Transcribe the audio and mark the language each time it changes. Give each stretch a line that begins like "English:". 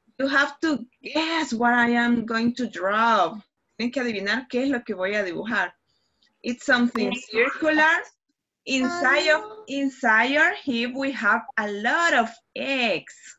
English: You have to guess what I am going to draw.
Spanish: Tienes que adivinar qué es lo que voy a dibujar.
English: It's something circular. Inside your hip we have a lot of eggs.